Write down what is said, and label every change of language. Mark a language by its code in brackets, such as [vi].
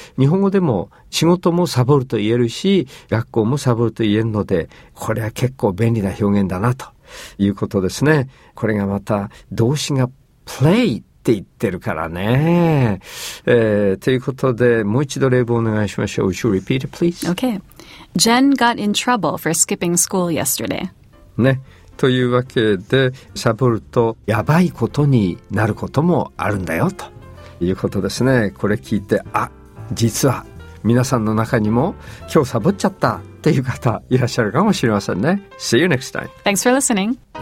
[ja] 日本語でも仕事もサボると言えるし、学校もサボると言えるので、これは結構便利な表現だなということですね。これがまた動詞が play って言ってるからね。ということで、もう一度例文お願いしましょう。 [en] Would you repeat it, please? Okay. Jen got in trouble for skipping school yesterday. [ja] ね。というわけで、サボるとやばいことになることもあるんだよ、ということですね。これ聞いて、あ、実は皆さんの中にも今日サボっちゃったっていう方いらっしゃるかもしれませんね。 [en] See you next time. Thanks for listening.